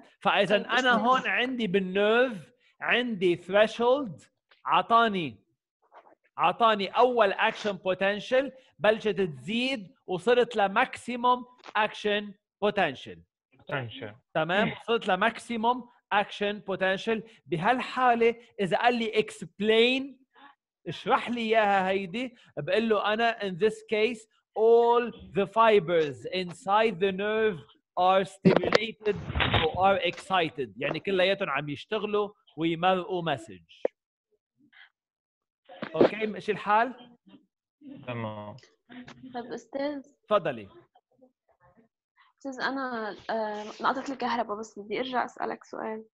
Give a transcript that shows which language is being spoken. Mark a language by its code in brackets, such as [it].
[ar] فاذا انا هون عندي بالنيرف عندي ثريشولد عطاني اول اكشن بوتنشل بلشت تزيد وصلت لماكسيموم اكشن بوتنشل. تمام. وصلت لماكسيموم اكشن بوتنشل. [en] بهالحاله اذا قال لي اكسبلين اشرح لي اياها هيدي بقول له انا in this case all the fibers inside the nerve are stimulated or are excited. [ar] يعني كلياتهم عم يشتغلوا ويمرقوا مسج. اوكي ماشي الحال؟ تمام. طيب استاذ تفضلي. استاذ انا نقطت الكهرباء بس بدي ارجع اسالك سؤال.